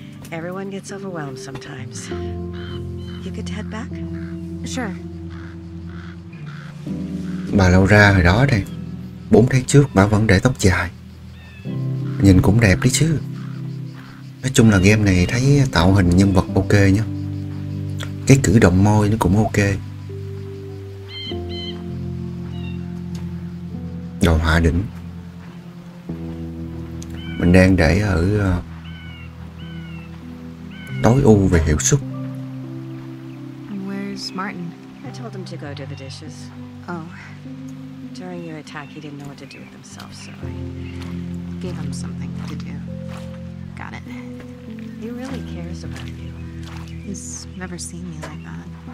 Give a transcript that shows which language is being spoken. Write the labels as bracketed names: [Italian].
[English] Everyone gets overwhelmed sometimes. You good to head back? Sure. [Vietnamese] Bà Laura hồi đó đây, 4 tháng trước bà vẫn để tóc dài, nhìn cũng đẹp đấy chứ. Nói chung là game này thấy tạo hình nhân vật ok nhá, cái cử động môi nó cũng ok, đồ họa đỉnh. Mình đang để ở tối ưu về hiệu suất. [English] Where's Martin? I told him to go do the dishes. Oh. During your attack, he didn't know what to do with himself, so I gave him something to do. Got it. He really cares about you. He's never seen me like that.